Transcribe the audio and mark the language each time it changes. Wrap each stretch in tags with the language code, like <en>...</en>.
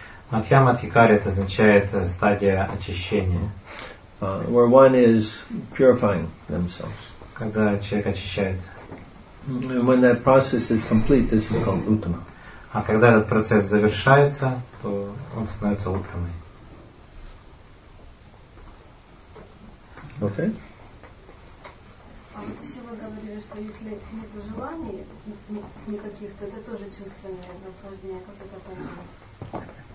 <ru>Матхьяма Тхикари это означает стадия очищения.</ru> <en>Where one is purifying themselves.</en> <ru>Когда человек очищается.</ru> <en>And when that process is complete, this is called Uttama.</en> <ru>А когда этот процесс завершается, то он становится Уттамой.</ru> <en>Okay.</en> <ru>А вот еще вы говорили, что если нет желаний никаких, то это тоже чувственное наслаждение, как это понимать?</ru>